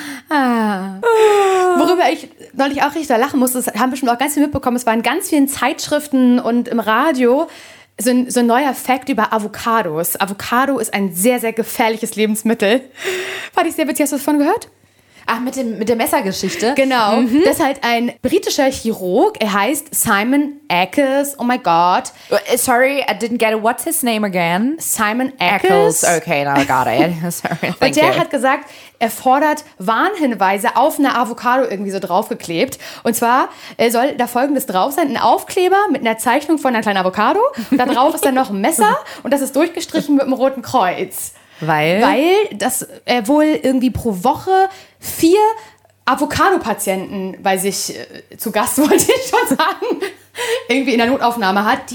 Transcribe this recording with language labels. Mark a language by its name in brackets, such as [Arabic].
[German] Worüber ich neulich auch richtig lachen musste, das haben bestimmt auch ganz viel mitbekommen, es war in ganz vielen Zeitschriften und im Radio so ein neuer Fact über Avocados. Avocado ist ein sehr, sehr gefährliches Lebensmittel. Fand ich sehr witzig, hast du davon gehört? Ach, mit der Messergeschichte? Genau. Mhm. Das ist halt ein britischer Chirurg, er heißt Simon Eccles, [English] oh my god. Sorry, I didn't get it, what's his name again? Simon Eccles. Okay, now I got it, sorry, thank you. [German] Und der hat gesagt, er fordert Warnhinweise auf eine Avocado irgendwie so draufgeklebt. Und zwar soll da Folgendes drauf sein, ein Aufkleber mit einer Zeichnung von einer kleinen Avocado. Da drauf ist dann noch ein Messer und das ist durchgestrichen mit einem roten Kreuz. Weil das er wohl irgendwie pro Woche 4 Avocado-Patienten bei sich zu Gast, wollte ich schon sagen, irgendwie in der Notaufnahme hat.